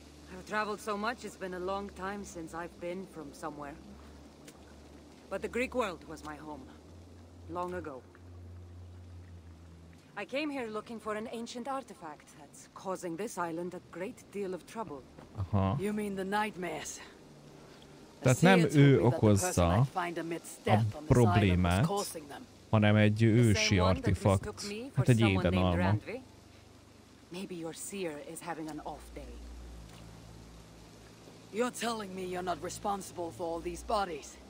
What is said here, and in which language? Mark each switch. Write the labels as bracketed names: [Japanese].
[English] I've traveled so much, it's been a long time since I've been from somewhere. But the Greek world was my home, long ago. I came here looking for an ancient artifact that's causing this island a great deal of trouble. Aha. You mean the nightmares? [Hungarian] Tehát nem ő okozza a problémát, hanem egy ősi artefakt, hát egy édenalma. [English] Maybe your seer is having an off day. You're telling me you're not responsible for all these bodies.